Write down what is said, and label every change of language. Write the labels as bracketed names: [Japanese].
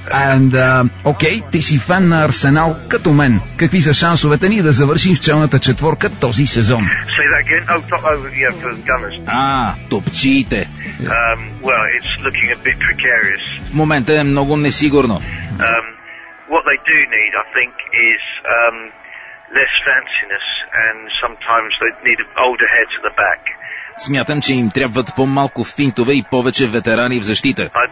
[Bulgarian] And, окей, ти си фен на Арсенал, като мен. Какви са шансовете ни да завършим в челната четворка този сезон? [English] Say that again. Oh, top over, yeah, for the Gunners. [Bulgarian] Топчиите. [English] Well, it's looking a bit precarious. [Bulgarian] В момента е много несигурно. [English] What they do need, I think, is less fanciness and sometimes they need older heads at the back. [Bulgarian] Смятам, че им трябват по-малко финтове и повече ветерани в защита.